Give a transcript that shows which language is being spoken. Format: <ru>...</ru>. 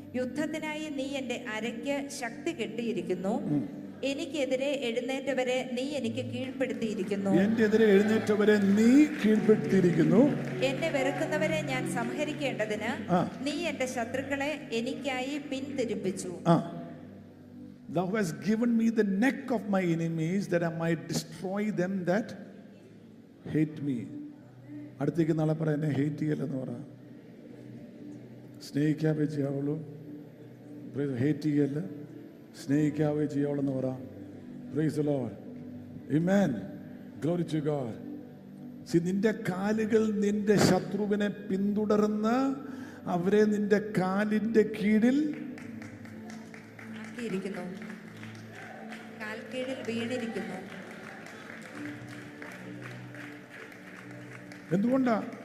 <ml>യുദ്ധത്തിനായി നീ എന്റെ അരയ്ക്ക് ശക്തി കെട്ടിയിരിക്കുന്നു. എനിക്കെതിരെ എഴുന്നേറ്റവരെ നീ എനിക്ക് കീഴ്പ്പെടുത്തിയിരിക്കുന്നു. എന്നെ വെറുക്കുന്നവരെ ഞാൻ സംഹരിക്കേണ്ടതിന് നീ എന്റെ ശത്രുക്കളെ എനിക്കായി പിന്തിരിപ്പിച്ചു.</ml> <en>Thou hast given me the neck of my enemies that I might destroy them that hate me.</en> <ml>അടുത്തേക്ക് നാളെ പറ എന്നെ ഹേറ്റ് ചെയ്യല്ലെന്ന് പറ. സ്നേഹിക്കാവേ ചെയ്യാവുള്ളൂ, ഹേറ്റ് ചെയ്യല്ല, സ്നേഹിക്കാവേ ചെയ്യാവുള്ളെന്ന് പറ.</ml> <en>Praise the Lord, amen, glory to God.</en> <ml>See, നിന്റെ കാലുകൾ നിന്റെ ശത്രുവിനെ പിന്തുടർന്ന് അവരെ നിന്റെ കാലിന്റെ കീഴിൽ എന്തുകൊണ്ടാ?</ml>